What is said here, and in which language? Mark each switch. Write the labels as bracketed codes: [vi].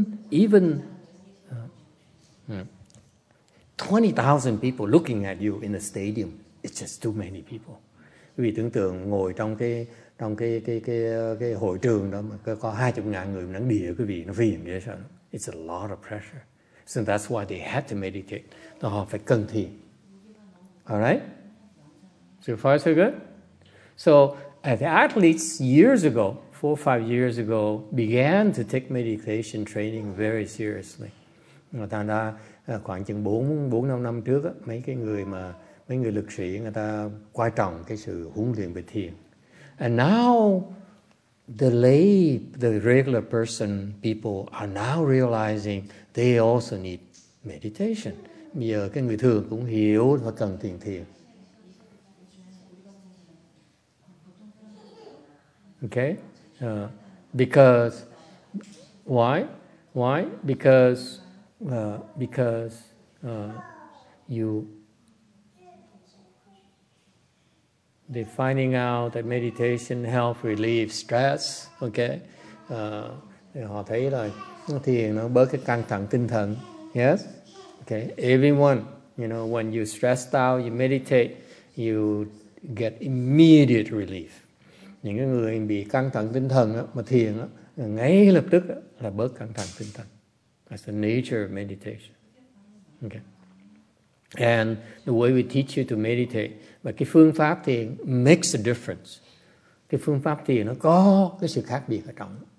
[en] Even 20,000 people looking at you in a stadium. It's just too many people. [vi] Vì tưởng tượng ngồi trong cái hội trường đó mà có 20,000 người nắng đìa quý vị, nó phiền ghê sao. [en] It's a lot of pressure. So that's why they had to meditate. [vi] Đó, họ phải cần thiền. [en] All right? So far so good? So the athletes years ago, 4 or 5 years ago, began to take meditation training very seriously. [vi] Thành ra khoảng chừng 4-5 năm trước á, mấy người lực sĩ người ta quan trọng cái sự huấn luyện về thiền. [en] And now the regular person people are now realizing they also need meditation. [vi] Bây giờ cái người thường cũng hiểu và cần thiền thiền. [en] Okay? Because why? Because they're finding out that meditation helps relieve stress. [vi] Okay, họ thấy là thiền nó bớt cái căng thẳng tinh thần. [en] Yes. Okay. Everyone, you know, when you stressed out, you meditate, you get immediate relief. [vi] Những cái người bị căng thẳng tinh thần á, mà thiền á, ngay lập tức á, là bớt căng thẳng tinh thần. [en] That's the nature of meditation. Okay. And the way we teach you to meditate, but [vi] cái phương pháp thiền [en] makes a difference. [vi] Cái phương pháp thiền nó có cái sự khác biệt ở trong.